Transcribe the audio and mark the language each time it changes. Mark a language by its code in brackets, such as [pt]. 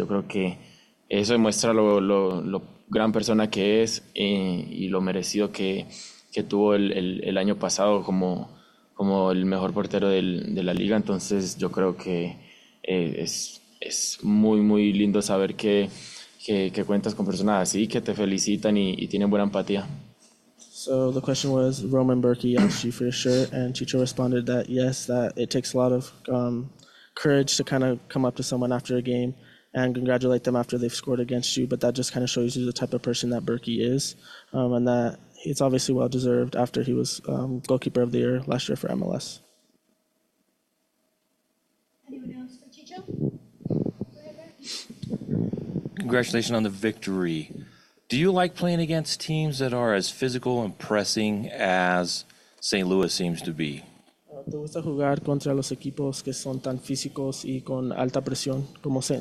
[es] Yo creo que eso demuestra lo gran persona que es y lo merecido que tuvo el año pasado como el mejor portero de la liga. Entonces yo creo que es muy muy lindo saber que cuentas con personas así que te felicitan y tienen buena empatía. [en] So the question was, Roman Berkey asked you for your shirt, and Chicho responded that yes, that it takes a lot of courage to kind of come up to someone after a game and congratulate them after they've scored against you, but that just kind of shows you the type of person that Berkey is, and that it's obviously well-deserved after he was goalkeeper of the year last year for MLS. Anyone else for Chicho? Congratulations on the victory. Do you like playing against teams that are as physical and pressing as St. Louis seems to be? [es] ¿Te gusta jugar contra los equipos que son tan físicos y con alta presión como St.